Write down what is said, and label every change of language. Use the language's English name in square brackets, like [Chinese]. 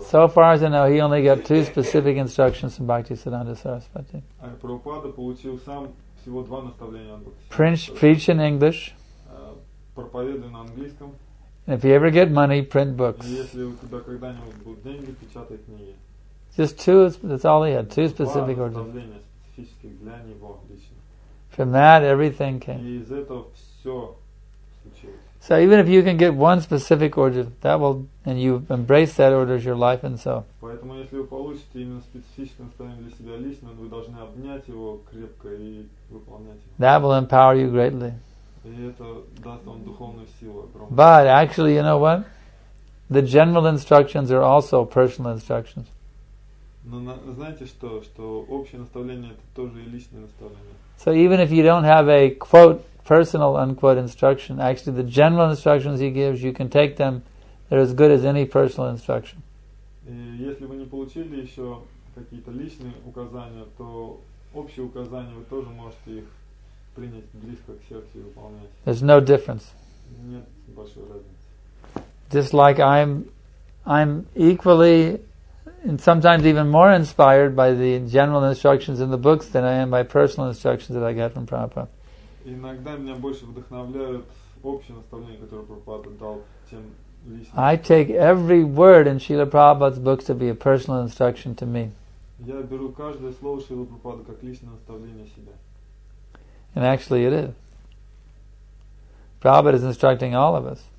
[English] So far as I know, he only got two specific instructions from Bhaktisiddhanta Sarasvati. [Russian] А Прабхупада получил сам всего два наставления от Бхактисиддханты. [English] Preach in English. [Russian] Проповедуй на английском. [English] If you ever get money, print books. [Russian] Если у тебя когда-нибудь будут деньги, печатай книги. [English] Just two, that's all he had, two specific orders. [Russian] Два наставления специфических для него лично. [English] From that, everything came. [Russian] И из этого все случилось. [English] So even if you can get one specific order, that will, and you embrace that order as your life and soul. [Russian] Поэтому если вы получите именно специфическое наставление для себя лично, вы должны обнять его крепко и выполнять его. [English] That will empower you greatly. [Russian] И это даст вам духовную силу огромную. [English] But actually, you know what? The general instructions are also personal instructions. [Russian] Но знаете что? Что общее наставление это тоже и личное наставление. [English] So even if you don't have a quote personal unquote instruction, actually the general instructions he gives, you can take them, they're as good as any personal instruction. [Russian] Если вы не получили еще какие-то личные указания, то общие указания вы тоже можете их принять близко к сердцу и выполнять. [English] There's no difference. [Russian] Нет большой разницы. [English] Just like I'm equally and sometimes even more inspired by the general instructions in the books than I am by personal instructions that I get from Prabhupada. [Russian] Иногда меня больше вдохновляют общие наставления, которые Прабхупада дал, чем личные. [English] I take every word in Srila Prabhupada's books to be a personal instruction to me. [Russian] Я беру каждое слово Шрилы Прабхупады как личное наставление себя. [English] And actually it is. Prabhupada is instructing all of us.